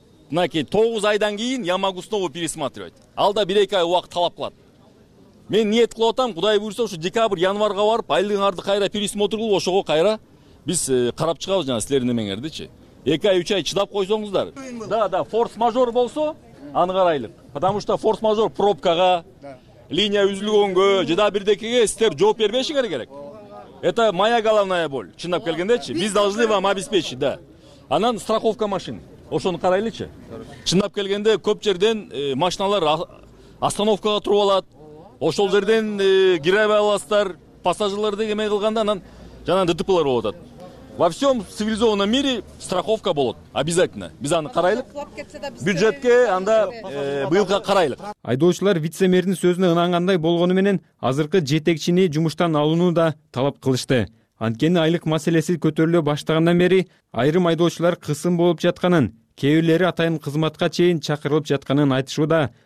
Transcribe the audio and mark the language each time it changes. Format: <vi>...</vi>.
<ky>Мынакей 9 айдан кийин</ky> <ru>я могу снова пересматривать.</ru> <ky>Ал да 1-2 ай убакыт талап кылат. Мен ниет кылып атам, Кудай буйруса ушу декабрь, январга барып айлыгыңарды кайра пересмотр кылып, ошого кайра биз карап чыгабыз жана силердин эмеңердичи. 2 ай, 3 ай чыдап койсоңуздар. Да, да, форс-мажор болсо, аны карайлык.</ky> <ru>Потому что</ru> <ky>форс-мажор пробкага линия үзүлгөнгө же да бирдекеге силер жооп бербешиңер керек.</ky> <ru>Это моя головная боль.</ru> <ky>Чындап келгендечи, биз</ky> <ru>должны вам обеспечить, да.</ru> <ky>Анан страховка машин. Ошону карайлычы. Чындап келгенде көп жерден машиналар остановкага туруп алат. Ошол жерден кире албай аласыздар. Пассажирлерди эме кылганда анан жана ДТПлар болуп атат.</ky> <ru>Во всём цивилизованном мире страховка</ru> <ky>болот,</ky> <ru>обязательно.</ru> <ky>Биз аны карайлык. Бюджетке анда быйылга карайлык. Айдоочулар вице-мэрдин сөзүнө ынангандай болгону менен азыркы жетекчини жумуштан алууну да талап кылышты. Анткени айлык маселеси көтөрүлө баштагандан бери айрым айдоочулар кысым болуп жатканын, кээлери атайын кызматка чейин чакырылып жатканын айтышууда.</ky>